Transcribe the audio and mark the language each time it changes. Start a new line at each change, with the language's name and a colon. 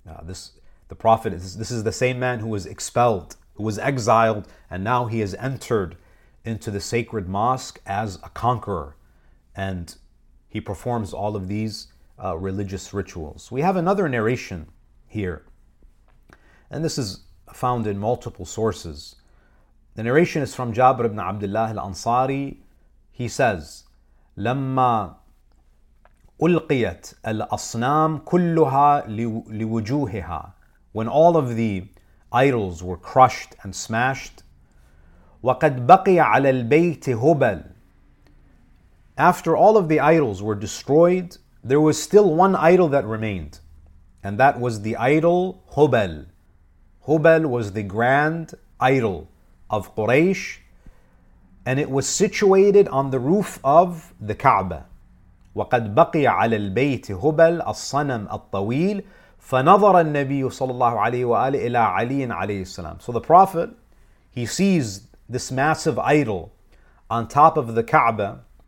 English: This is the same man who was expelled, who was exiled, and now he has entered into the sacred mosque as a conqueror, and he performs all of these religious rituals. We have another narration here And this is found in multiple sources. The narration is from Jabir ibn Abdullah al-Ansari. He says,
Arabic: لَمَّا أُلْقِيَتْ الْأَصْنَامُ كُلُّهَا لِوُجُوهِهَا.
English: When all of the idols were crushed and smashed,
Arabic: وَقَدْ بَقِيَ عَلَى الْبَيْتِ هُبَلْ.
English: After all of the idols were destroyed, there was still one idol that remained, and that was the idol Hubal. Hubal was the grand idol of Quraysh, and it was situated on the roof of the Kaaba.
Arabic: وَقَدْ بَقِيَ عَلَى الْبَيْتِ هُبَلَ الصَّنَمَ الطَّوِيلِ فَنَظَرَ النَّبِيُّ صَلَى اللَّهُ عَلَيْهِ وَآلِهِ إِلَىٰ عَلِيٍ عَلَيْهِ السَّلَامِ.
English: So the Prophet, he sees this massive idol on top of the Kaaba.